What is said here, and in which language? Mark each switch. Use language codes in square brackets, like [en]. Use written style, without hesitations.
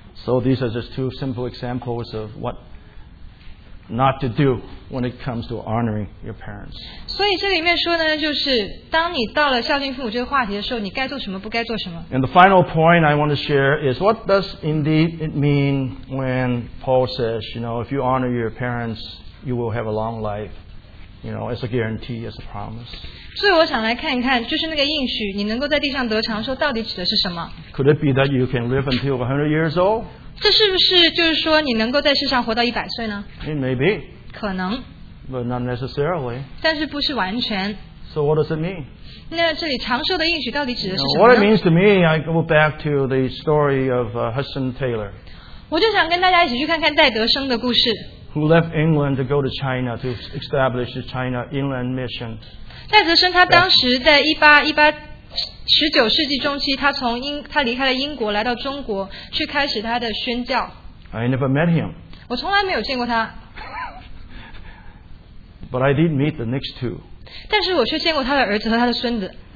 [en] So these are just two simple examples of what not to do when it comes to honoring your parents. [zh] 所以这里面说呢，就是当你到了孝敬父母这个话题的时候，你该做什么，不该做什么。 [en] And the final point I want to share is what does indeed it mean when Paul says, if you honor your parents, you will have a long life, as a guarantee, as a promise. [zh] 所以我想来看一看，就是那个应许，你能够在地上得长寿，到底指的是什么？ [en] Could it be that you can live until 100 years old? [zh] 这是不是就是说你能够在世上活到100岁呢? [en] It may be. [zh] 可能, [en] but not necessarily. [zh] 但是不是完全。 [en] So what does it mean? [zh] 那这里长寿的应许到底指的是什么呢? [en] What it means to me, I go back to the story of Hudson Taylor. [zh] 我就想跟大家一起去看看戴德生的故事。 [en] Who left England to go to China to establish the China Inland Mission. [zh] 戴德生他当时在1818 19世纪中期他离开了英国来到中国去开始他的宣教。 [en] I never met him. [zh] 我从来没有见过他。 [en] But I did meet the next two. [zh] 但是我却见过他的儿子和他的孙子。